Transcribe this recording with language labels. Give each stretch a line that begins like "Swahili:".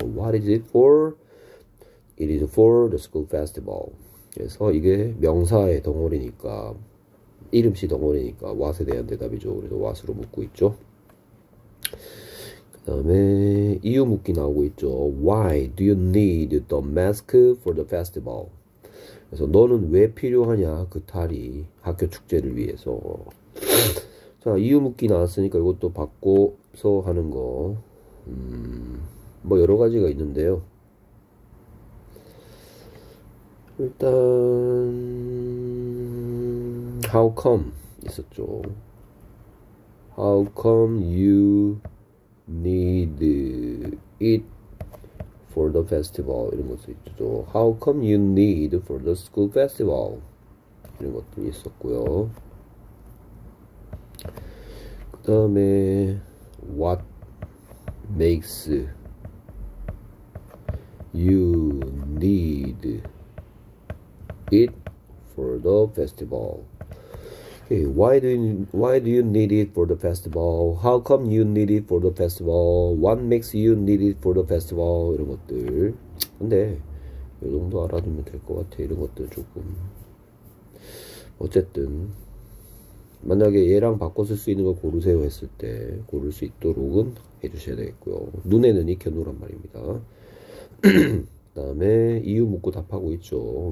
English: What is it for? It is for the school festival.
Korean: 그래서 이게 명사의 덩어리니까, 이름씨 덩어리니까 what에 대한 대답이죠. 그래서 what으로 묻고 있죠. 그다음에 이유 묻기 나오고 있죠.
English: Why do you need the mask for the festival?
Korean: 그래서 너는 왜 필요하냐? 그 탈이 학교 축제를 위해서. 자, 이유 묻기 나왔으니까 이것도 바꿔서 하는 거. 뭐 여러 가지가 있는데요. 일단
English: how come
Korean: 있었죠.
English: How come you need it for the festival
Korean: 이런 것도 있죠.
English: How come you need for the school festival
Korean: 이런 것도 있었고요. 그다음에
English: what makes you need it for the festival. Okay, why do you need it for the festival? How come you need it for the festival? What makes you need it for the festival?
Korean: 이런 것들. 근데 요 정도 알아두면 될것 같아. 이런 것들 조금. 어쨌든 만약에 얘랑 바꿔 쓸수 있는 거 고르세요 했을 때 고를 수 있도록은 해주셔야 되겠고요. 눈에는 익혀놓으란 말입니다. 그다음에 이유 묻고 답하고 있죠.